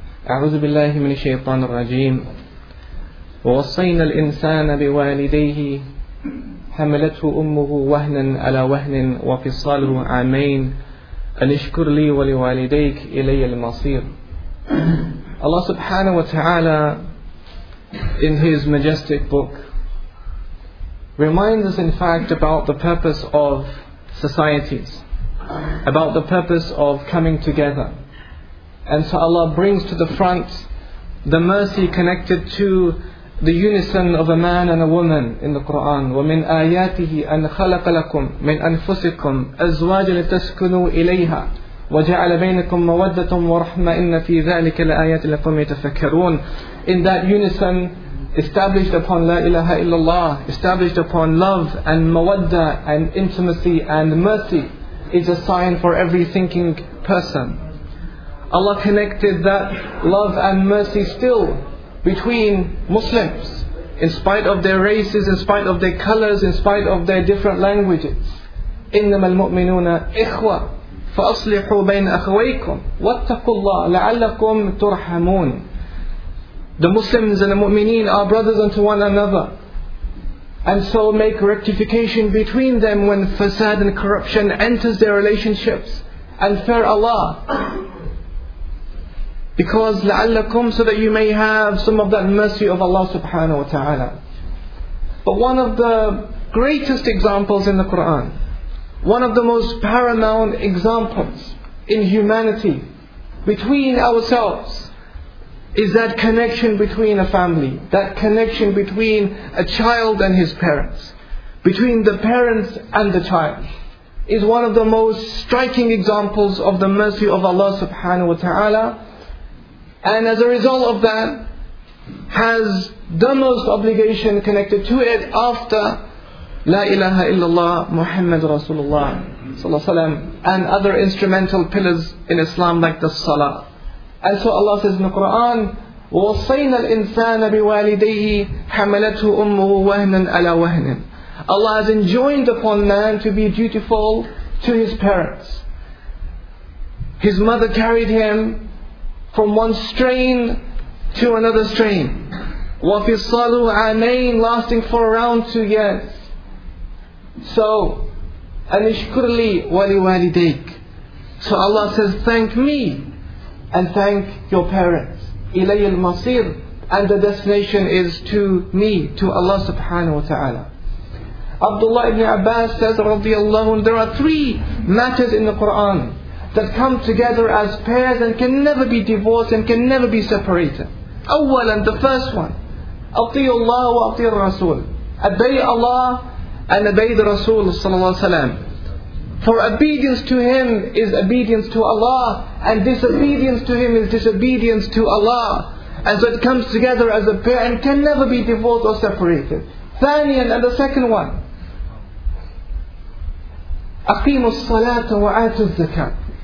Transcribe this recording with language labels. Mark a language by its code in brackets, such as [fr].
[ar] أعوذ بالله من الشيطان الرجيم ووصينا الإنسان بوالديه حملته أمه وهنا على وهن وفصاله عامين أن اشكر لي ولوالديك إلي المصير الله سبحانه وتعالى [en] in his majestic book reminds us in fact about the purpose of societies, about the purpose of coming together. And so Allah brings to the front the mercy connected to the unison of a man and a woman in the Quran. [ar] وَمِنْ آيَاتِهِ أَنْ خَلَقَ لَكُمْ مِنْ أَنْفُسِكُمْ أَزْوَاجَ لِتَسْكُنُوا إِلَيْهَا وَجَعَلَ بَيْنَكُمْ مَوَدَّةٌ وَرَحْمَةٌ إِنَّ فِي ذَلِكَ لَآيَاتٍ لَكُمْ يَتَفَكَّرُونَ [en] In that unison, established upon La ilaha illallah, established upon love and mawadda and intimacy and mercy, is a sign for every thinking person. Allah connected that love and mercy still between Muslims, in spite of their races, in spite of their colors, in spite of their different languages. [ar] إنما المؤمنون إخوة فأصلحوا بين أخويكم واتقوا الله لعلكم ترحمون. [en] The Muslims and the Mu'mineen are brothers unto one another. And so make rectification between them when fasad and corruption enters their relationships. And fear Allah. Because [ar] لَعَلَّكُمْ [en] so that you may have some of that mercy of Allah subhanahu wa ta'ala. But one of the greatest examples in the Quran, one of the most paramount examples in humanity between ourselves, is that connection between a family, that connection between a child and his parents, between the parents and the child, is one of the most striking examples of the mercy of Allah subhanahu wa ta'ala. And as a result of that, has the most obligation connected to it after La ilaha illallah Muhammad Rasulullah sallallahu alayhi wa sallam, and other instrumental pillars in Islam like the Salah. And so Allah says in the Quran, [ar] وَوَصَيْنَا الْإِنسَانَ بِوَالِدَيْهِ حَمَلَتْهُ أُمُّهُ وَهْنًا عَلَى وَهْنٍ. [en] Allah has enjoined upon man to be dutiful to his parents. His mother carried him from one strain to another strain. [ar] وَفِصَالُ عَامَيْن, [en] lasting for around 2 years. [ar] So, أَنِشْكُرْلِي وَلِوَالِدَيْكَ. [en] So Allah says, thank me and thank your parents. [ar] إِلَيَّ الْمَصِيرُ, [en] and the destination is to me, to Allah subhanahu wa ta'ala. Abdullah ibn Abbas says, radiallahu anhu, there are three matters in the Quran that come together as pairs and can never be divorced and can never be separated. [ar] أولا, [en] the first one, [ar] أطيعوا الله وأطيعوا الرسول. [en] Obey Allah and obey the Rasul sallallahu alaihi wasallam. For obedience to him is obedience to Allah, and disobedience to him is disobedience to Allah. And so it comes together as a pair and can never be divorced or separated. Thanian, and the second one, [ar] أقيموا الصلاة وآتوا الزكاة.